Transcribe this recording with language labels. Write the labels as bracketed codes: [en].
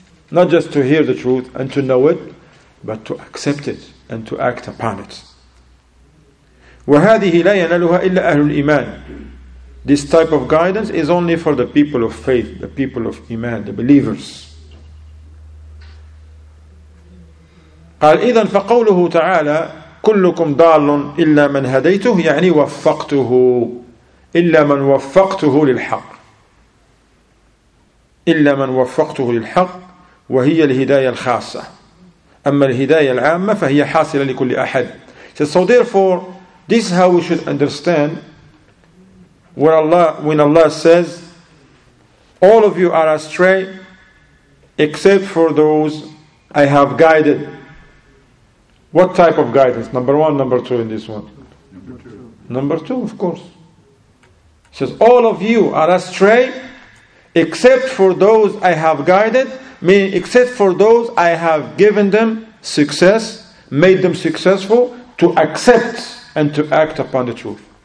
[en] Not just to hear the truth and to know it, but to accept it and to act upon it. [ar] وَهَذِهِ لَا يَنَلُهَا إِلَّا أَهْلُ الْإِيمَانِ [en] This type of guidance is only for the people of faith, the people of Iman, the believers. [ar] قال إذن فقوله تعالى كلكم ضال إلا من هديته يعني وفقته إلا من وفقته للحق إلا من وفقته للحق وهي الهداية الخاصة أما الهداية العامة فهي حاصلة لكل أحد [en] So therefore, this is how we should understand when Allah says all of you are astray except for those I have guided What type of guidance? Number one, number two in this one? Number two, of course. He says, all of you are astray except for those I have guided, meaning except for those I have given them success, made them successful to accept and to act upon the truth.